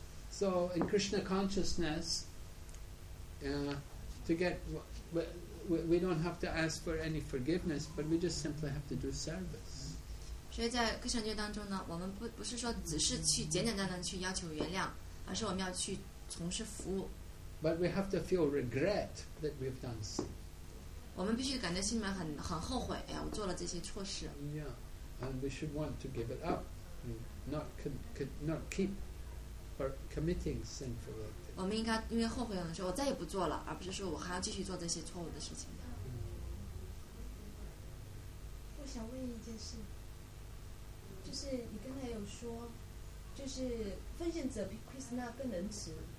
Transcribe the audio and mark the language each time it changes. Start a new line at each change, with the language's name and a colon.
English: So in Krishna consciousness, to get, we don't have to ask for any forgiveness, but we just simply have to do service.
Chinese: 所以在 Krishna 界当中呢，我们不是说只是去简简单单去要求原谅，而是我们要去从事服务。
English: But we have to feel regret that we've done sin.
Chinese: 我们必须感觉心里面很后悔，哎呀，我做了这些错事。
English: Yeah, and we should want to give it up, not keep. Committing sinful activity.
Chinese: 我们应该因为后悔的时候，我再也不做了，而不是说我还要继续做这些错误的事情。我想问一件事，就是你刚才有说，就是奉献者比 Krishna 更仁慈。